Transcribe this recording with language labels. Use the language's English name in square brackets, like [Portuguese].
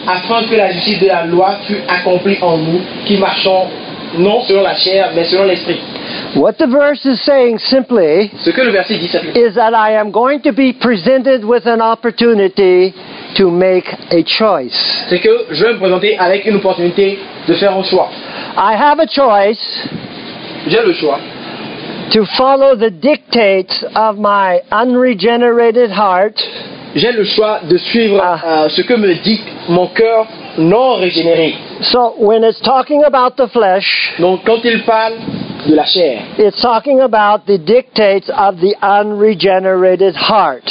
[French] Afin que la justice de la loi fût accomplie en nous, qui marchons non selon la chair, mais selon l'esprit. [English] What the verse is saying simply, [French] ce que le verset dit simplement, [English] is that I am going to be presented with an opportunity to make a choice. [French] C'est que je vais me présenter avec une opportunité de faire un choix. [English] I have a choice. [French] J'ai le choix. [English] To follow the dictates of my unregenerated heart. [French] J'ai le choix de suivre ce que me dit mon cœur non régénéré. [English] So when it's talking about the flesh, [French] donc quand il parle de la chair, [English] it's talking about the dictates of the unregenerated heart.